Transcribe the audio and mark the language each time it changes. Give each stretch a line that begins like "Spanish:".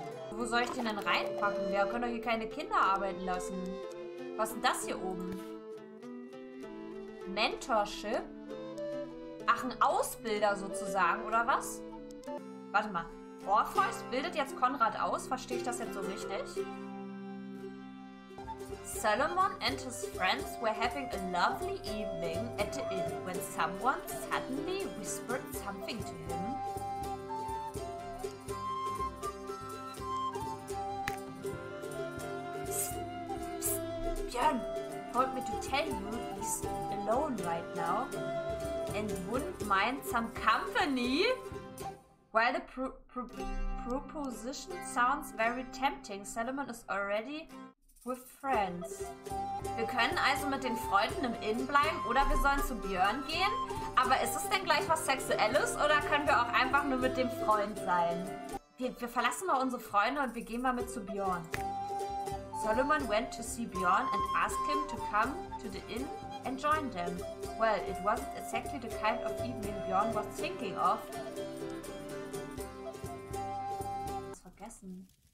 German: Wo soll ich den denn reinpacken? Wir können doch hier keine Kinder arbeiten lassen. Was ist denn das hier oben? Mentorship? Ach, ein Ausbilder sozusagen, oder was? Warte mal. Orpheus bildet jetzt Konrad aus? Verstehe ich das jetzt so richtig?
English: Solomon and his friends were having a lovely evening at the inn when someone suddenly whispered something to him. Björn told me to tell you he's alone right now and wouldn't mind some company. While the proposition sounds very tempting, Solomon is already with friends.
German: Wir können also mit den Freunden im Inn bleiben oder wir sollen zu Björn gehen. Aber ist es denn gleich was Sexuelles oder können wir auch einfach nur mit dem Freund sein? Wir verlassen mal unsere Freunde und wir gehen mal mit zu Björn.
English: Solomon went to see Björn and asked him to come to the inn and join them. Well, it wasn't exactly the kind of evening Björn was thinking of.
German: Was vergessen?